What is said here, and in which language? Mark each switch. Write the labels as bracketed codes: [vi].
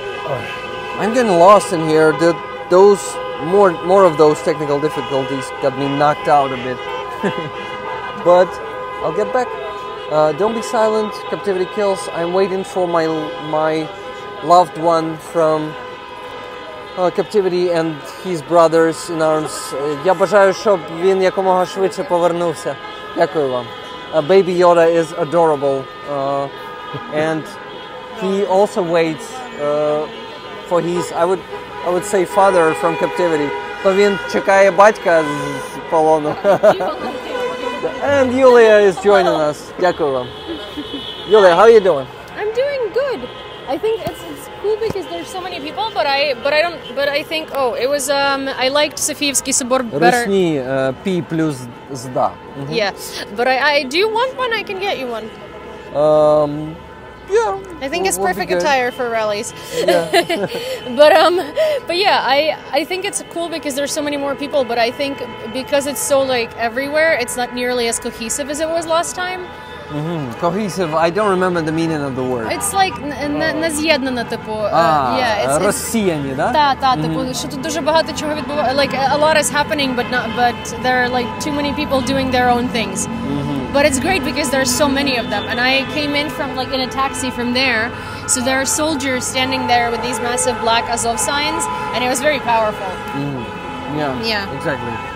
[en] Oh. I'm getting lost in here. More of those technical difficulties got me knocked out a bit. But I'll get back. Don't be silent, captivity kills. I'm waiting for my loved one from captivity and his brothers in arms. [uk] Я бажаю, щоб він якомога швидше повернувся. Дякую вам. [en] Baby Yoda is adorable. And he also waits for his, I would say, father from captivity. [uk] То він чекає батька з полону. [en] And Yulia is joining us. [uk] Дякую вам. [en] Yulia, how are you doing? I'm doing good. I think it's cool because there's so many people, but I think, oh, it was, I liked Софіївський собор better. [uk] Русні, пі плюс зда. [en] Yeah, but I do want one. I can get you one. Yeah. I think it's perfect attire for rallies. Yeah. but I think it's cool because there's so many more people, but I think because it's so like everywhere, it's not nearly as cohesive as it was last time. Mm-hmm. Cohesive, I don't remember the meaning of the word. It's like [uk] naз'єднане, типу. Розсіяні, да? Так, так, типу, що тут дуже багато чого відбувається. [en] Like, a lot is happening, but there are like too many people doing their own things. Mm-hmm. But it's great because there are so many of them. And I came in from like in a taxi from there. So there are soldiers standing there with these massive black Azov signs. And it was very powerful. Mm. Yeah, exactly.